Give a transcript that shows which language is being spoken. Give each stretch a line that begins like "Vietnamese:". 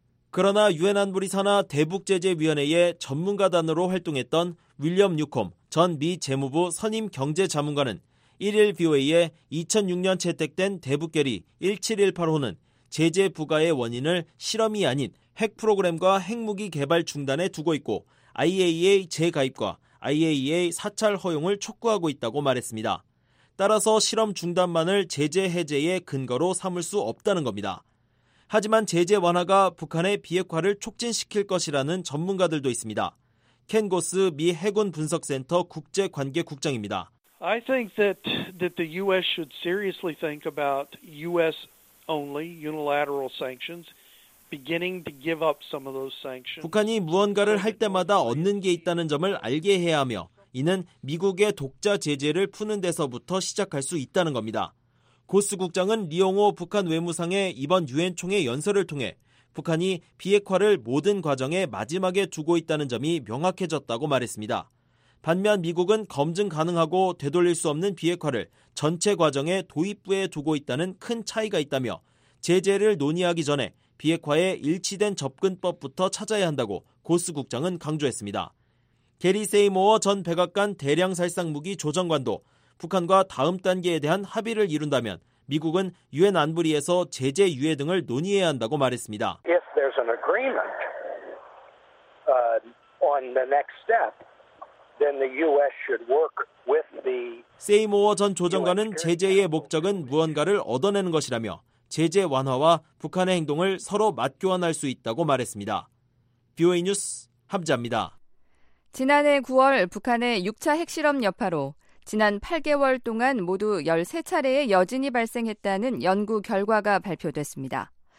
Korean: 그러나 유엔 안보리 산하 대북제재위원회의 전문가단으로 활동했던 윌리엄 뉴콤 전 미 재무부 선임 경제자문가는 1일 VOA에 2006년 채택된 대북결의 1718호는 제재 부과의 원인을 실험이 아닌 핵 프로그램과 핵무기 개발 중단에 두고 있고 IAEA 재가입과 IAEA 사찰 허용을 촉구하고 있다고 말했습니다. 따라서 실험 중단만을 제재 해제의 근거로 삼을 수 없다는 겁니다. 하지만 제재 완화가 북한의 비핵화를 촉진시킬 것이라는 전문가들도 있습니다. 켄 고스 미 해군 분석센터 국제관계 국장입니다.
English: I think that the US should seriously think about US only unilateral sanctions. Beginning to give up some of those sanctions.
Korean: 북한이 무언가를 할 때마다 얻는 게 있다는 점을 알게 해야 하며 이는 미국의 독자 제재를 푸는 데서부터 시작할 수 있다는 겁니다. 고스 국장은 리용호 북한 외무상의 이번 유엔 총회 연설을 통해 북한이 비핵화를 모든 과정의 마지막에 두고 있다는 점이 명확해졌다고 말했습니다. 반면 미국은 검증 가능하고 되돌릴 수 없는 비핵화를 전체 과정의 도입부에 두고 있다는 큰 차이가 있다며 제재를 논의하기 전에 비핵화에 일치된 접근법부터 찾아야 한다고 고스 국장은 강조했습니다. 게리 세이모어 전 백악관 대량살상무기 조정관도 북한과 다음 단계에 대한 합의를 이룬다면 미국은 유엔 안보리에서 제재 유예 등을 논의해야 한다고 말했습니다.
English: If there's an agreement on the next step, then the U.S. should work with the.
Korean: 세이모어 전 조정관은 제재의 목적은 무언가를 얻어내는 것이라며 제재 완화와 북한의 행동을 서로 맞교환할 수 있다고 말했습니다. BOA 뉴스 함지아입니다. 지난해 9월 북한의 6차 핵실험 여파로 지난 8개월 동안 모두 13차례의 여진이 발생했다는 연구 결과가 발표됐습니다.